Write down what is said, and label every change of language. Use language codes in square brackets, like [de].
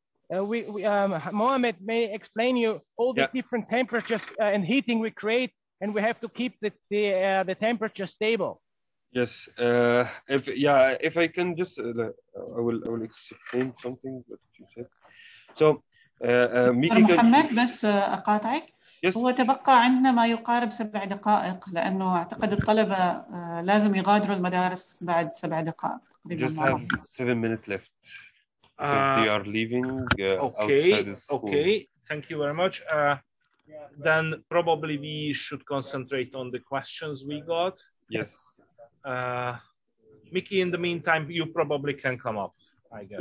[en] Mohamed may explain you all the different temperatures and heating we create, and we have to keep the temperature stable. Yes. If I can just I will explain something that you said. So [ar] Mohamed, بس أقاطعك. [en] Yes. [ar] هو تبقى عندنا ما يقارب سبع دقائق لأنه أعتقد الطلبة لازم يغادروا المدارس بعد سبع دقائق. [en] Just have 7 minutes left. Because they are leaving Okay, thank you very much. Then probably we should concentrate on the questions we got. Yes. Mickey, in the meantime, you probably can come up, I guess.